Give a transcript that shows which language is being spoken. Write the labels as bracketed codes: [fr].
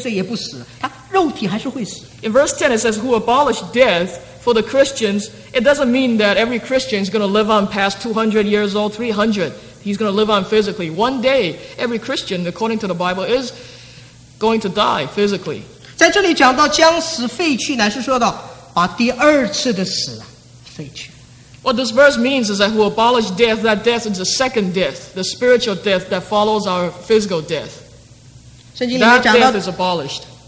[zh] 在这里讲到把死废去，并不是说一个基督徒啊，将来他活到两百岁、一千岁也不死，他肉体还是会死。 [en] In verse 10 it says, "Who abolish death for the Christians?" It doesn't mean that every Christian is going to live on past 200 years old, 300. He's going to live on physically. One day, every Christian, according to the Bible, is going to die physically. [zh] 在这里讲到将死废去，乃是说到把第二次的死废去。 [en] What this verse means is that who abolish death, that death is the second death, the spiritual death that follows our physical death. That death is abolished.